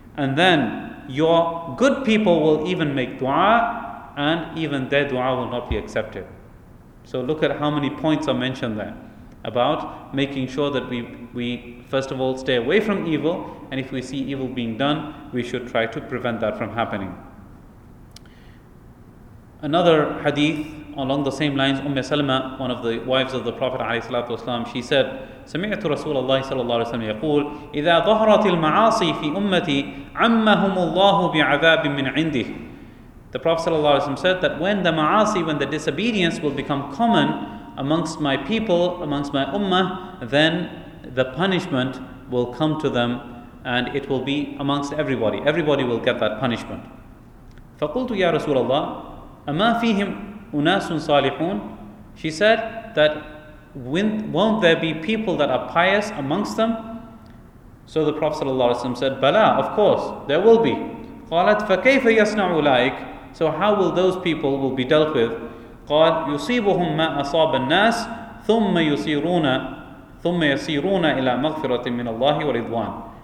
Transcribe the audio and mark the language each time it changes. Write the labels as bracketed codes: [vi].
[en] And then your good people will even make dua, and even their dua will not be accepted. So look at how many points are mentioned there about making sure that we first of all stay away from evil, and if we see evil being done, we should try to prevent that from happening. Another hadith along the same lines, Umm Salama, one of the wives of the Prophet ﷺ, she said, [ar] سمعت رسول الله صلى الله عليه وسلم يقول إذا ظهرت المعاصي في أمتي عمهم الله بعذاب من عنده. [en] The Prophet [ar] صلى الله عليه وسلم [en] said that when the ma'asi, when the disobedience will become common amongst my people, amongst my ummah, then the punishment will come to them, and it will be amongst everybody. Everybody will get that punishment. [ar] فقلت يا رسول الله أما فيهم أناس صالحون. [en] She said that won't there be people that are pious amongst them? So the Prophet ﷺ said, Bala, of course, there will be. [ar] قَالَتْ فَكَيْفَ يَصْنَعُ لَائِكَ. [en] So how will those people will be dealt with? [ar] قَالْ يُصِيبُهُمْ مَا أَصَابَ النَّاسِ ثُمَّ يُصِيرُونَ إِلَىٰ مَغْفِرَةٍ مِّنَ اللَّهِ وَرِضْوَانِ.